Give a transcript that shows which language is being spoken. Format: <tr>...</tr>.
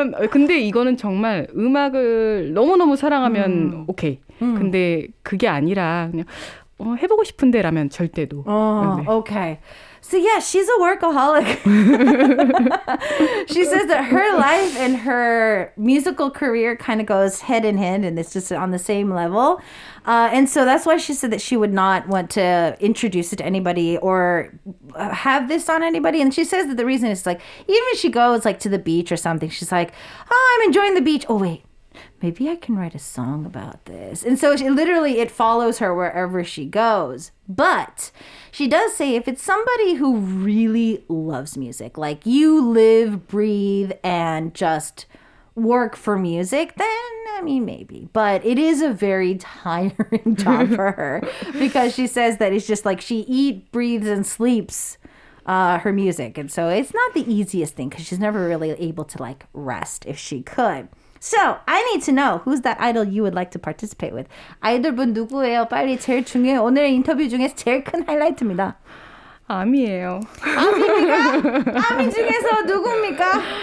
<ko>근데 이거는 정말 음악을 너무너무 사랑하면 오케이. 근데 그게 아니라 그냥 해보고 싶은데 라면 절대도.</ko> <en>오케이. So yeah, she's a workaholic. She says that her life and her musical career kind of goes head in hand and it's just on the same level. And so that's why she said that she would not want to introduce it to anybody or have this on anybody. And she says that the reason is like, even if she goes like to the beach or something, she's like, oh, I'm enjoying the beach. Oh, wait. Maybe I can write a song about this. And so it follows her wherever she goes. But she does say if it's somebody who really loves music, like you live, breathe, and just work for music, then, I mean, maybe. But it is a very tiring job for her because she says that it's just like she eats, breathes, and sleeps her music. And so it's not the easiest thing because she's never really able to like rest if she could. So, I need to know who's that idol you would like to participate with.</en> <ko>아이돌분 누구예요? 빨리 제일 중요해. 오늘 인터뷰 중에서 제일 큰 하이라이트입니다. 아미예요. 아미입니까? 아미 중에서 누구입니까?</ko>